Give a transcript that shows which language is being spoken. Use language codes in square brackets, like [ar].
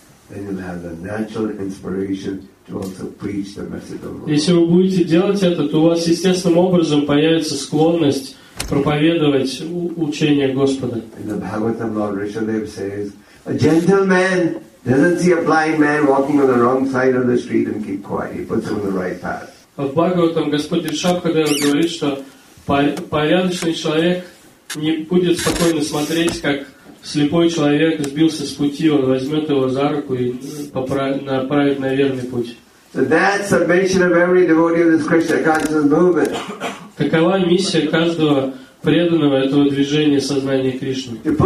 [en] Then you'll have the natural inspiration to also preach the message of God. [ru] Если вы будете делать это, то у вас естественным образом появится склонность проповедовать учение Господа. [en] In the Bhagavatam, Lord Rishadev says, a gentleman doesn't see a blind man walking on the wrong side of the street and keep quiet. He puts him on the right path. [ru] В Бхагаватам Господь Ришабхадева говорит, что порядочный человек не будет спокойно смотреть, как слепой человек сбился с пути, он возьмет его за руку и направит на верный путь. Такова миссия каждого преданного этого движения сознания Кришны.